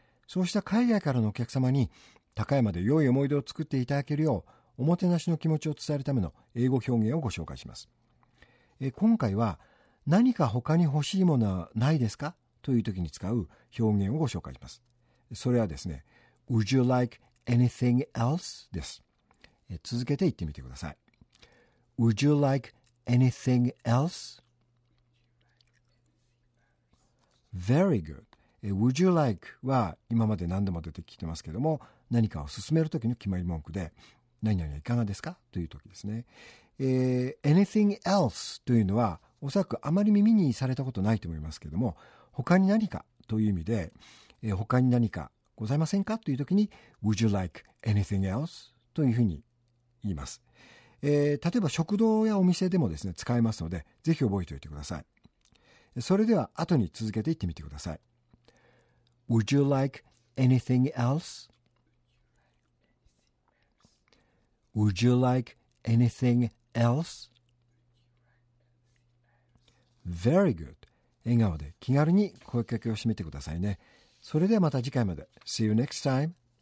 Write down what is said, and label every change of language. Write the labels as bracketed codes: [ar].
[ja] そうした海外からのお客様に高山で良い思い出を作っていただけるよう、おもてなしの気持ちを伝えるための英語表現をご紹介します。今回は、何か他に欲しいものはないですか? という時に使う表現をご紹介します。それはですね、 [en] Would you like anything else? [ja] です。続けて言ってみてください。 [en] Would you like anything else? Very good. Would you like [ja] は今まで何度も出てきてますけども、何かを進めるときの決まり文句で、何々はいかがですかというときですね。 [en] Anything else [ja] というのは、おそらくあまり耳にされたことないと思いますけども、他に何かという意味で、他に何かございませんかというときに、 [en] Would you like anything else? [ja] というふうに言います。例えば食堂やお店でもですね、使えますので、ぜひ覚えておいてください。それでは後に続けていってみてください。 [en] Would you like anything else? Would you like anything else? Very good. [ja] 笑顔で気軽に声かけをしてみてくださいね。それではまた次回まで。 [en] See you next time.